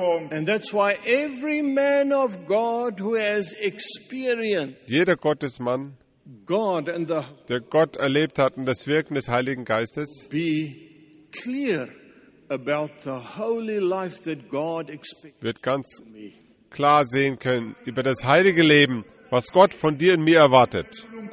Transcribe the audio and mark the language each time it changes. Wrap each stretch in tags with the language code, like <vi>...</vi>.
<en>And that's why every man of God who has experienced</en> <de>jeder Gottesmann,</de> <en>God and the,</en> <de>der Gott erlebt hat und das Wirken des Heiligen Geistes,</de> <en>be clear about the holy life that God expects.</en> <de>Wird ganz klar sehen können über das heilige Leben, was Gott von dir und mir erwartet.</de>